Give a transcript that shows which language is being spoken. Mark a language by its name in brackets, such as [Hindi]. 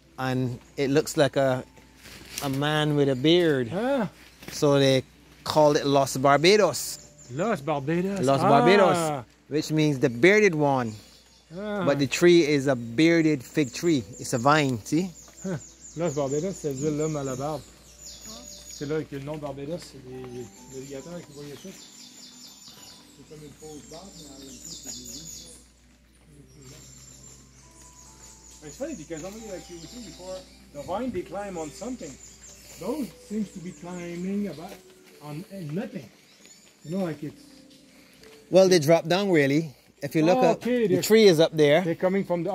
[English] And it looks like a man with a beard. Yeah. So they called it Los Barbados. Los Barbados. Los Barbados, which means the bearded one. But the tree is a bearded fig tree. It's a vine, see? [French] Los Barbados, c'est l'homme à la barbe. C'est là que le nom Barbados, c'est le navigateur qui voyait ça. C'est comme une fausse barbe, mais en même temps, c'est des vignes. [English] It's funny because only like you would see before, the vine, they climb on something. Those seems to be climbing about on nothing. You know, like it's... Well, they drop down, really. If you look up, the tree is up there. They're coming from the...